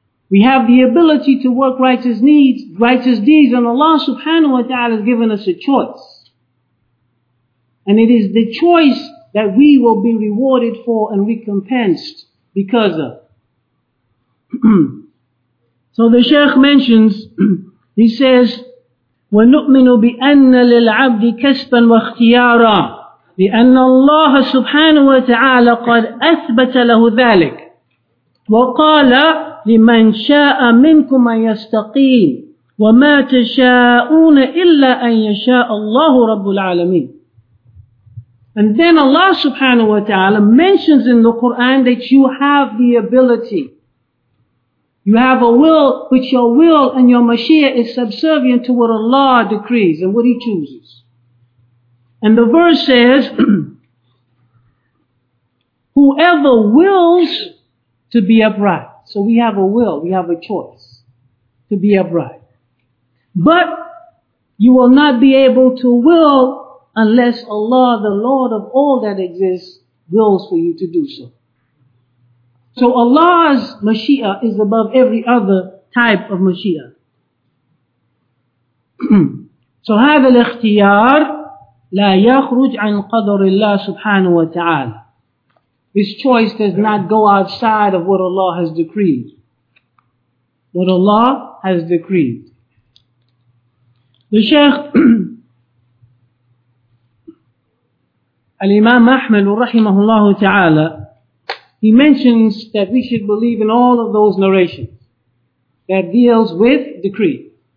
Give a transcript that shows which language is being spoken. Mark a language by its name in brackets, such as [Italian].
[English] We have the ability to work righteous needs, righteous deeds, and Allah subhanahu wa ta'ala has given us a choice. And it is the choice that we will be rewarded for and recompensed because of. [Arabic] So the Shaykh mentions, he says, وَنُؤْمِنُ بِأَنَّ لِلْعَبْدِ كَسْبًا وَاخْتِيَارًا لِأَنَّ اللَّهَ سُبْحَانَهُ وَتَعَالَى قَدْ أَثْبَتَ لَهُ ذَلِكَ وَقَالَ لِمَنْ شَاءَ مِنْكُمْ أَنْ يَسْتَقِيمَ وَمَا تَشَاءُونَ إِلَّا أَنْ يَشَاءَ اللَّهُ رَبُّ الْعَالَمِينَ. [English] And then Allah subhanahu wa ta'ala mentions in the Quran that you have the ability. You have a will, but your will and your mashiach is subservient to what Allah decrees and what He chooses. And the verse says, whoever wills to be upright. So we have a will, we have a choice to be upright. But you will not be able to will unless Allah, the Lord of all that exists, wills for you to do so. So Allah's Mashiach is above every other type of Mashiach. [Arabic] So هذا الاختيار لا يخرج عن قدر الله سبحانه وتعالى. [English] This choice does not go outside of what Allah has decreed. What Allah has decreed. The Shaykh Al-Imam Ahmad رحمه الله تعالى, he mentions that we should believe in all of those narrations that deals with decree.